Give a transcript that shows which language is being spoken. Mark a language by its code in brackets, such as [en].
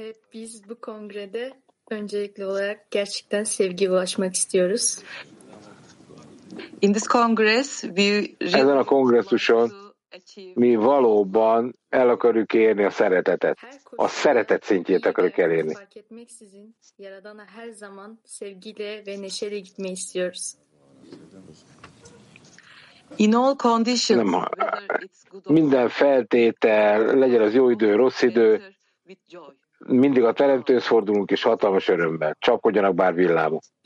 [tr] Biz bu kongrede öncelikli olarak gerçekten sevgiye ulaşmak istiyoruz. [en] In this congress, [hu] ezen a kongresszuson mi valóban el akarjuk érni a szeretetet. A szeretet szintjét akarjuk elérni. [tr] Yaradan'a her zaman sevgiyle ve neşeyle gitmeyi istiyoruz. [en] In all conditions, [hu] nem, minden feltétel, legyen az jó idő, rossz idő, mindig a Teremtőhöz fordulunk, és hatalmas örömmel. Csapkodjanak bár villámok.